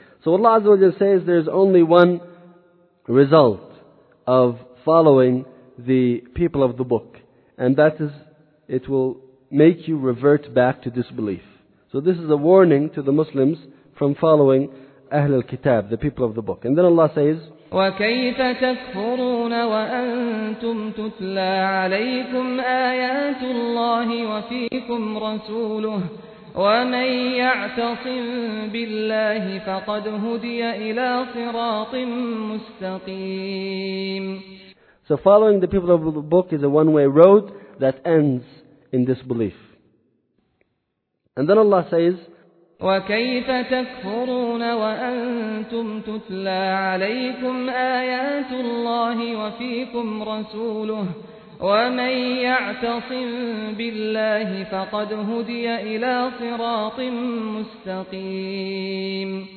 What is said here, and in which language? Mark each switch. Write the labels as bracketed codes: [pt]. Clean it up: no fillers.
[en] So Allah Azza wa Jalla says there's only one result of following the people of the book. And that is, it will make you revert back to disbelief. So this is a warning to the Muslims from following Ahlul Kitab, the people of the book. And then Allah says, [ar] وكيف تكفرون وأنتم تتلى عليكم آيات الله وفيكم رسوله ومن يعتصم بالله فقد هدي إلى صراط مستقيم. [en] So following the people of the book is a one-way road that ends in disbelief. And then Allah says, [ar] وَكَيْفَ تَكْفُرُونَ وَأَنْتُمْ تُتْلَى عَلَيْكُمْ آيَاتُ اللَّهِ وَفِيكُمْ رَسُولُهُ وَمَنْ يَعْتَصِمْ بِاللَّهِ فَقَدْ هُدِيَ إِلَى صِرَاطٍ مُسْتَقِيمٍ.